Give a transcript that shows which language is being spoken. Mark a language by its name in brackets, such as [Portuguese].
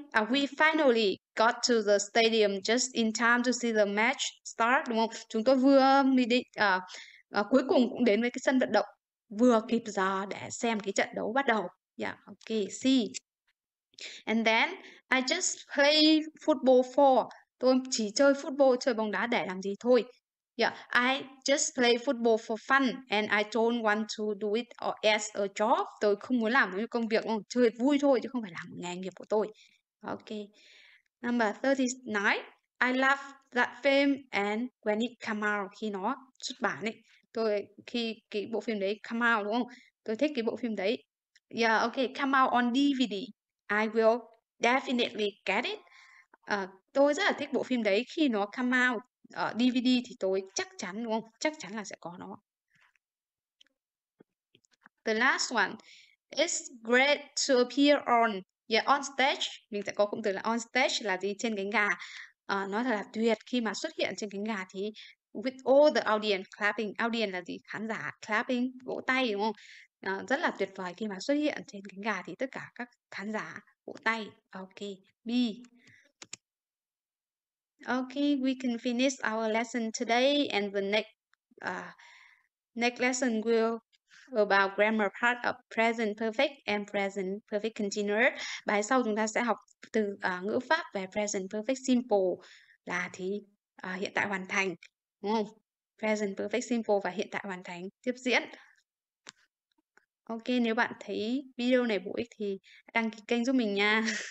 [English] We finally got to the stadium just in time to see the match start, [Vietnamese] đúng không? Chúng tôi vừa mới đi cuối cùng cũng đến với cái sân vận động vừa kịp giờ để xem cái trận đấu bắt đầu. Ok, C. [English] And then I just play football for. [Vietnamese] Tôi chỉ chơi football, chơi bóng đá để làm gì thôi. [English] I just play football for fun and I don't want to do it as a job. [Vietnamese] Tôi không muốn làm một công việc, không? Chơi vui thôi chứ không phải làm một nghề nghiệp của tôi. Ok. [English] Number 39. I love that film and when it come out, [Vietnamese] khi nó xuất bản ấy. Khi cái bộ phim đấy [English] come out [Vietnamese] đúng không? Tôi thích cái bộ phim đấy. [English] Yeah, okay, come out on DVD. I will definitely get it. [Vietnamese] Tôi rất là thích bộ phim đấy. Khi nó [English] come out [Vietnamese] ở DVD thì tôi chắc chắn đúng không? Chắc chắn là sẽ có nó. [English] The last one. It's great to appear on. Yeah, on stage. [Vietnamese] Mình sẽ có cụm từ là [English] on stage [Vietnamese] là gì? Trên cánh gà. Nó thật là tuyệt khi mà xuất hiện trên cánh gà thì [English] with all the audience clapping. Audience [Vietnamese] là gì? Khán giả [English] clapping, [Vietnamese] vỗ tay đúng không? Rất là tuyệt vời khi mà xuất hiện trên cánh gà thì tất cả các khán giả vỗ tay. [English] Ok, B. Ok, we can finish our lesson today and the next next lesson will about grammar part of present perfect and present perfect continuous. [Vietnamese] Bài sau chúng ta sẽ học từ ngữ pháp về present perfect simple là thì hiện tại hoàn thành đúng không? Present perfect simple và hiện tại hoàn thành tiếp diễn. Ok, nếu bạn thấy video này bổ ích thì đăng ký kênh giúp mình nha.